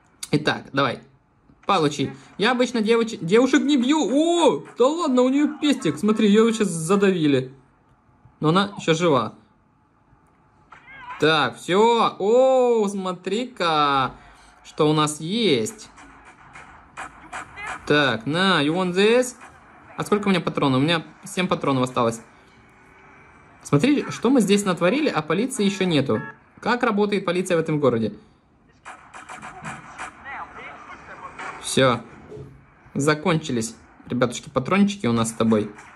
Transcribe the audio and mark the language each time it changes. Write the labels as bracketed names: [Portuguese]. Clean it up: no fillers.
[Russian] Итак, давай. Получи. Я обычно девушек не бью. О, да ладно, у нее пестик. Смотри, ее сейчас задавили. Но она еще жива. Так, все. О, смотри-ка, что у нас есть. [English] Так, на, you want this? [Russian] А сколько у меня патронов? У меня 7 патронов осталось. Смотри, что мы здесь натворили, а полиции еще нету. Как работает полиция в этом городе? Все. Закончились, ребятушки, патрончики у нас с тобой.